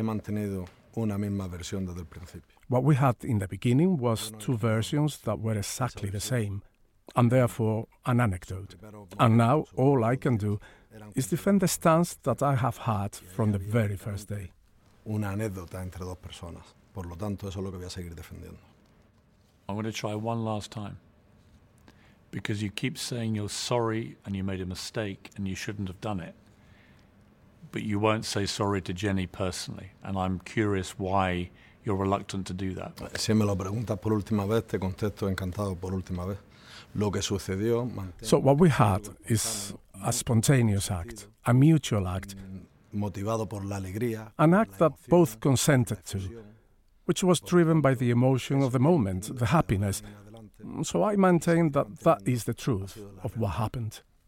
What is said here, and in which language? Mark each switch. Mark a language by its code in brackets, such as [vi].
[en] What we had in the beginning was two versions that were exactly the same. And therefore, an anecdote. And now, all I can do is defend the stance that I have had from the very first day. [es] Una anécdota entre dos personas. Por lo tanto, eso es lo que voy a seguir defendiendo. [en] I'm going to try one last time. Because you keep saying you're sorry and you made a mistake and you shouldn't have done it. But you won't say sorry to Jenny personally. And I'm curious why you're reluctant to do that. [es] Si me lo preguntas por última vez, te contesto encantado por última vez. [en] So what we had is a spontaneous act, a mutual act, an act that both consented to, which was driven by the emotion of the moment, the happiness. So I maintain that that is the truth of what happened.